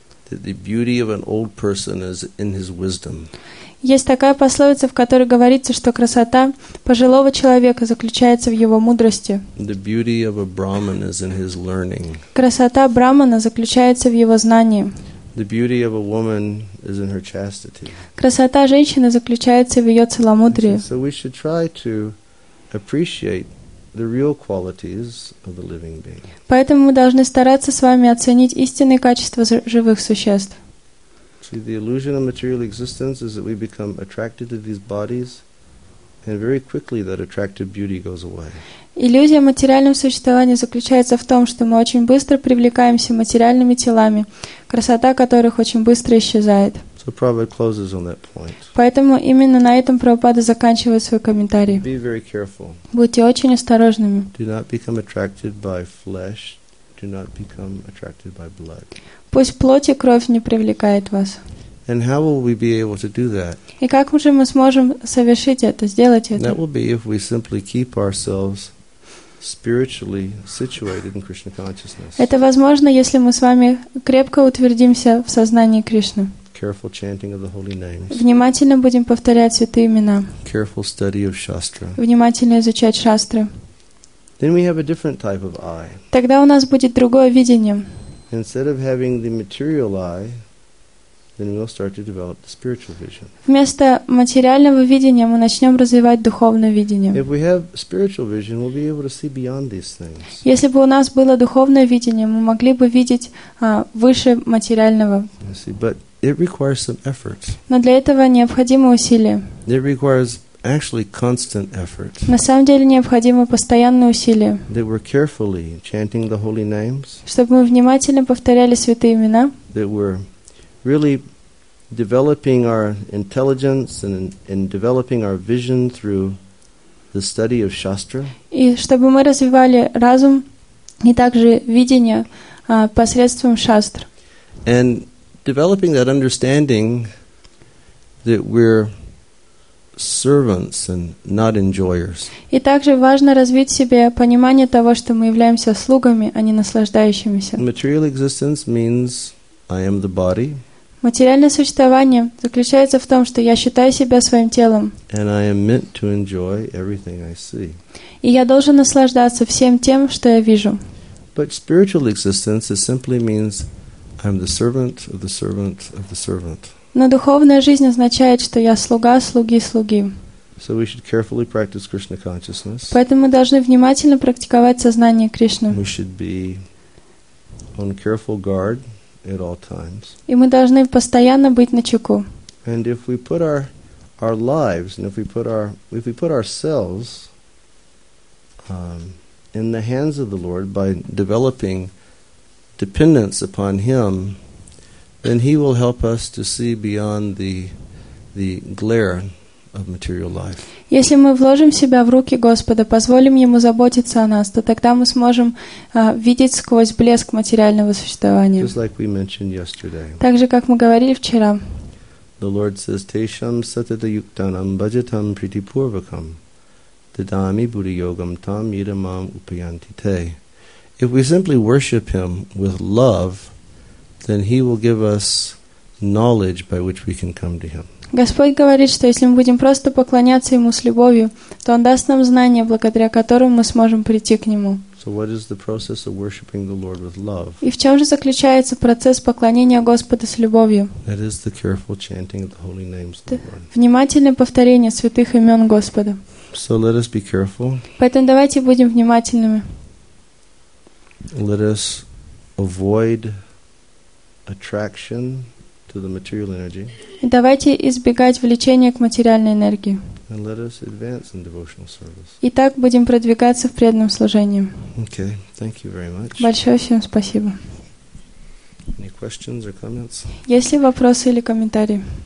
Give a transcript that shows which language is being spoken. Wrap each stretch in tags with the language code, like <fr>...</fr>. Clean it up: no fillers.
<en>that the beauty of an old person is in his wisdom.</en> <ru>Есть такая пословица, в которой говорится, что красота пожилого человека заключается в его мудрости.</ru> <en>The beauty of a Brahman is in his learning.</en> <ru>Красота Брахмана заключается в его знании.</ru> <en>The beauty of a woman is in her chastity.</en> <ru>Красота женщины заключается в ее целомудрии.</ru> <en>So we should try to appreciate the real qualities of a living being.</en> <ru>Поэтому мы должны стараться с вами оценить истинные качества живых существ.</ru> <en>See, the illusion of material existence is that we become attracted to these bodies, and very quickly that attractive beauty goes away.</en> <ru>Иллюзия материального существования заключается в том, что мы очень быстро привлекаемся материальными телами, красота которых очень быстро исчезает.</ru> <en>So Prabhupada closes on that point.</en> <ru>Поэтому именно на этом Прабхупада заканчивает свой комментарий.</ru> <en>Be very careful.</en> <ru>Будьте очень осторожными.</ru> <en>Do not become attracted by flesh. Do not become attracted by blood.</en> <ru>Пусть плоть и кровь не привлекает вас.</ru> <en>And how will we be able to do that?</en> <ru>И как же мы сможем совершить это, сделать это?</ru> <en>That will be if we simply keep ourselves spiritually situated in Krishna consciousness.</en> <ru>Это возможно, если мы с вами крепко утвердимся в сознании Кришны.</ru> <en>Careful chanting of the holy names.</en> <ru>Внимательно будем повторять святые имена.</ru> <en>Careful study of shastra.</en> <ru>Внимательно изучать шастры.</ru> <en>Then we have a different type of eye.</en> <ru>Тогда у нас будет другое видение.</ru> <en>Instead of having the material eye, then we'll start to develop the spiritual vision.</en> <ru>Вместо материального видения мы начнем развивать духовное видение.</ru> <en>If we have spiritual vision, we'll be able to see beyond these things.</en> <ru>Если бы у нас было духовное видение, мы могли бы видеть выше материального.</ru> <en>But it requires some effort.</en> <ru>Но для этого необходимы усилия.</ru> <en>It requires actually constant effort.</en> <ru>На самом деле необходимы постоянные усилия.</ru> <en>That we're carefully chanting the holy names.</en> <ru>Чтобы мы внимательно повторяли святые имена.</ru> <en>That we're really developing our intelligence and developing our vision through the study of shastra.</en> <ru>И чтобы мы развивали разум и также видение посредством шастр.</ru> <en>And developing that understanding that we're servants and not enjoyers.</en> <ru>И также важно развить в себе понимание того, что мы являемся слугами, а не наслаждающимися.</ru> <en>Material existence means I am the body.</en> <ru>Материальное существование заключается в том, что я считаю себя своим телом.</ru> <en>And I am meant to enjoy everything I see.</en> <ru>И я должен наслаждаться всем тем, что я вижу.</ru> <en>But spiritual existence simply means I'm the servant of the servant of the servant.</en> <ru>Но духовная жизнь означает, что я слуга, слуги, слуги.</ru> <en>So we should carefully practice Krishna consciousness.</en> <ru>Поэтому мы должны внимательно практиковать сознание Кришны.</ru> <en>We should be on careful guard at all times.</en> <ru>И мы должны постоянно быть начеку.</ru> <en>And if we put our lives and if we put ourselves in the hands of the Lord by developing dependence upon Him, then He will help us to see beyond the glare of material life.</en> <ru>Если мы вложим себя в руки Господа, позволим Ему заботиться о нас, то тогда мы сможем видеть сквозь блеск материального существования.</ru> <en>Just like we mentioned yesterday.</en> <ru>Так же, как мы говорили вчера.</ru> <en>The Lord says,</en> <sa>Tesham satata yuktanam bhajatam pritipurvakam didami buddhi yogam tam yidamam upayanti te.</sa> <en>If we simply worship Him with love, then He will give us knowledge by which we can come to Him.</en> <ru>Господь говорит, что если мы будем просто поклоняться Ему с любовью, то Он даст нам знания, благодаря которым мы сможем прийти к Нему.</ru> <en>So what is the process of worshiping the Lord with love?</en> <ru>И в чем же заключается процесс поклонения Господа с любовью?</ru> <en>That is the careful chanting of the holy names of the Lord.</en> <ru>Внимательное повторение святых имен Господа.</ru> <en>So let us be careful.</en> <ru>Поэтому давайте будем внимательными.</ru> <en>Let us avoid attraction to the material energy.</en> <ru>Давайте избегать влечения к материальной энергии.</ru> <en>And let us advance in devotional service.</en> <ru>И так будем продвигаться в преданном служении.</ru> <en>Okay, thank you very much.</en> <ru>Большое всем спасибо.</ru> <en>Any questions or comments?</en> <ru>Есть ли вопросы или комментарии?</ru>